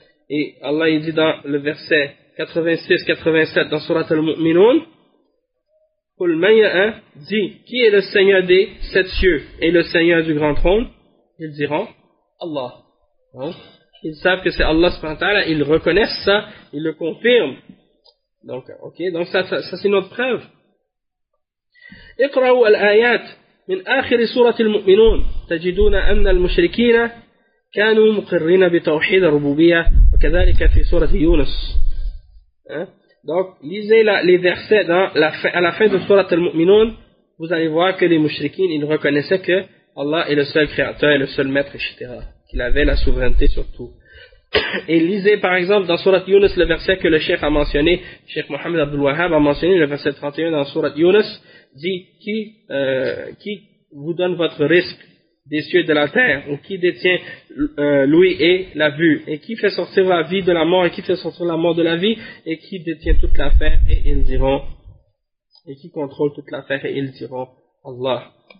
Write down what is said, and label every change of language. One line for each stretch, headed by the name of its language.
French: Et Allah il dit dans le verset 86-87 dans Surat Al-Mu'minun, Qul man ya'a dit, qui est le Seigneur des sept cieux et le Seigneur du grand trône? Ils diront Allah. Hein? Ils savent que c'est Allah subhanahu wa ta'ala, ils reconnaissent ça, ils le confirment. Donc, ok, donc ça c'est notre preuve.
Arabic: اقرأوا الآيات من آخر سورة المؤمنون تجدون أن المشركين كانوا مقرين بتوحيد الربوبية وكذلك في سورة يونس.
French: Donc, lisez les versets à la fin de Surat al-Mu'minun, vous allez voir que les mouchriquins, ils reconnaissaient que Allah est le seul créateur et le seul maître, etc. Qu'il avait la souveraineté sur tout. Et lisez par exemple dans Surat Yunus le verset que le Cheikh a mentionné, Cheikh Mohamed Abdul Wahhab a mentionné le verset 31 dans Surat Yunus, dit qui vous donne votre risque des cieux et de la terre, ou qui détient l'ouïe et la vue, et qui fait sortir la vie de la mort, et qui fait sortir la mort de la vie, et qui détient toute l'affaire, et ils diront, et qui contrôle toute l'affaire, et ils diront Allah.